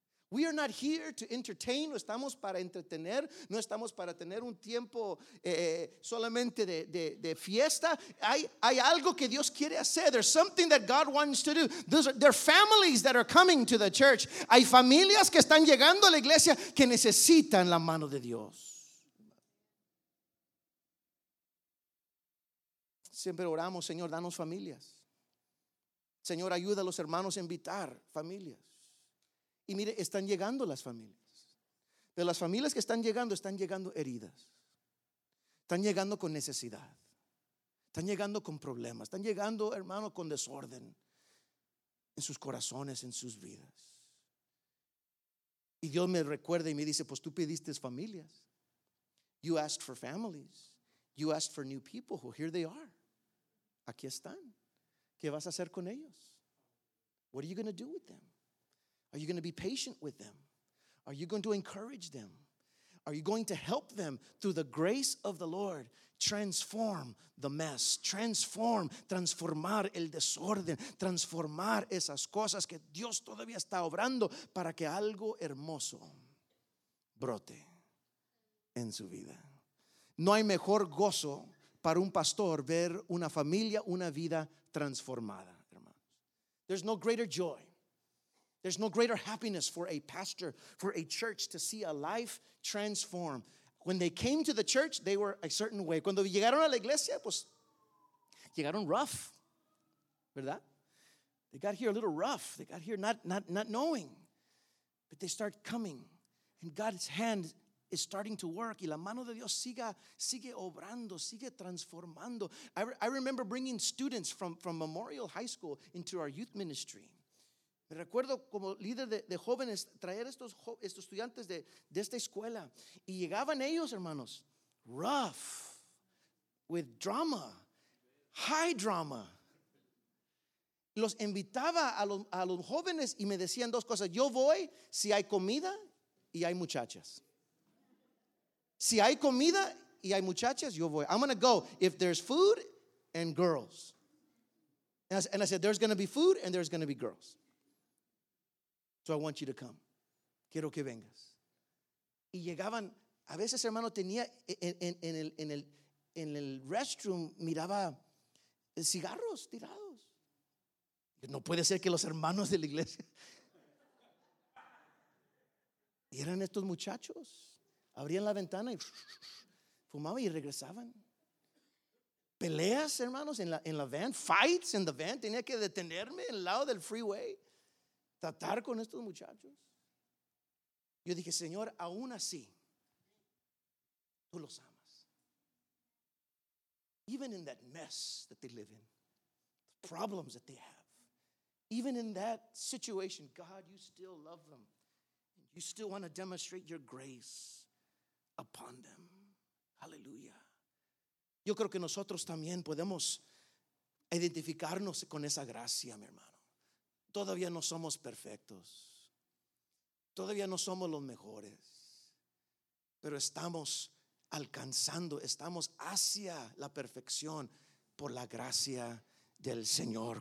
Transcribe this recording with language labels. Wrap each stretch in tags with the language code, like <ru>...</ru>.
<en>We are not here to entertain.</en> <es>No estamos para entretener. No estamos para tener un tiempo solamente de fiesta. Hay algo que Dios quiere hacer.</es> <en>There's something that God wants to do. There are families that are coming to the church.</en> <es>Hay familias que están llegando a la iglesia que necesitan la mano de Dios. Siempre oramos, Señor, danos familias. Señor, ayuda a los hermanos a invitar familias. Y mire, están llegando las familias. Pero las familias que están llegando heridas. Están llegando con necesidad. Están llegando con problemas. Están llegando, hermano, con desorden en sus corazones, en sus vidas. Y Dios me recuerda y me dice, pues tú pediste familias.</es> <en>You asked for families. You asked for new people. Well, here they are.</en> <es>Aquí están. ¿Qué vas a hacer con ellos?</es> <en>What are you going to do with them? Are you going to be patient with them? Are you going to encourage them? Are you going to help them through the grace of the Lord transform the mess?</en> <es>Transformar el desorden. Transformar esas cosas que Dios todavía está obrando para que algo hermoso brote en su vida. No hay mejor gozo para un pastor ver una familia, una vida transformada, hermanos.</es> <en>There's no greater joy. There's no greater happiness for a pastor, for a church to see a life transform. When they came to the church, they were a certain way.</en> <es>Cuando llegaron a la iglesia, pues, llegaron rough, ¿verdad?</es> <en>They got here a little rough. They got here not knowing. But they start coming, and God's hand is starting to work.</en> <es>Y la mano de Dios sigue obrando, sigue transformando.</es> <en>I remember bringing students from Memorial High School into our youth ministry.</en> <es>Me recuerdo como líder de jóvenes traer estos estudiantes de esta escuela y llegaban ellos, hermanos, rough,</es> <en>with drama, high drama.</en> <es>Los invitaba a los jóvenes y me decían dos cosas. Yo voy si hay comida y hay muchachas. Si hay comida y hay muchachas, yo voy.</es> <en>I'm going to go if there's food and girls. And I said, there's going to be food and there's going to be girls. So I want you to come.</en> <es>Quiero que vengas. Y llegaban, a veces hermano tenía en el restroom, miraba cigarros tirados. No puede ser que los hermanos de la iglesia. Y eran estos muchachos. Abrían la ventana y fumaban y regresaban. peleas, hermanos, en la van,</es> <en>fights in the van.</en> <es>Tenía que detenerme en el lado del freeway, tratar con estos muchachos. Yo dije, Señor, aún así, tú los amas.</es> <en>Even in that mess that they live in, the problems that they have, even in that situation, God, you still love them. You still want to demonstrate your grace upon them. Hallelujah.</en> <es>Yo creo que nosotros también podemos identificarnos con esa gracia, mi hermano. Todavía no somos perfectos. Todavía no somos los mejores. Pero estamos alcanzando, estamos hacia la perfección por la gracia del Señor.</es>